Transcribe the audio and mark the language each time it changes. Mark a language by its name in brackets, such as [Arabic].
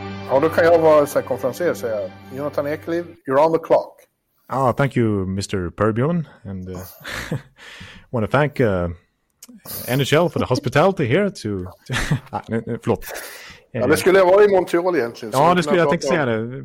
[Swedish] Ja, då kan jag vara så här konferenser och säga Jonathan Ekeliv, [English] you're on the clock. Ah, thank you, Mr. Perbjorn. And I want to thank NHL for the hospitality here to... [Swedish] förlåt. Ja, det skulle jag vara i Montreal egentligen. Ja, det skulle jag tänka säga det.